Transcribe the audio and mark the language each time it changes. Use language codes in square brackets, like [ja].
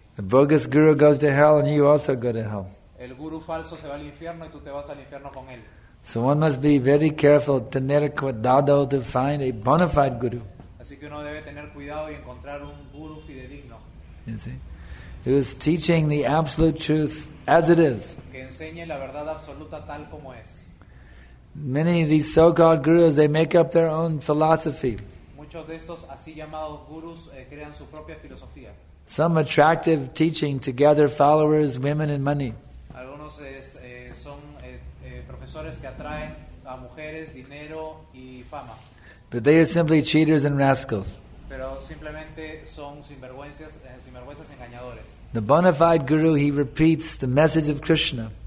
[en] the bogus guru goes to hell and you also go to hell. [es] El guru falso se va al infierno y tú te vas al infierno con él. [en] So one must be very careful, [es] tener cuidado [en] to find a bona fide guru. [es] Así que uno debe tener cuidado y encontrar un guru fidedigno. [en] You see? Who is teaching the absolute truth as it is. [es] Que enseñe la verdad absoluta tal como es. [en] Many of these so-called gurus, they make up their own philosophy. [es] Muchos de estos así llamados gurus crean su propia filosofía. [en] Some attractive teaching to gather followers, women and money. [es] Algunos son profesores que atraen a mujeres, dinero y fama. [en] But they are simply cheaters and rascals. [es] Pero simplemente son sinvergüenzas engañadores. [en] The bona fide guru, he repeats the message of Krishna.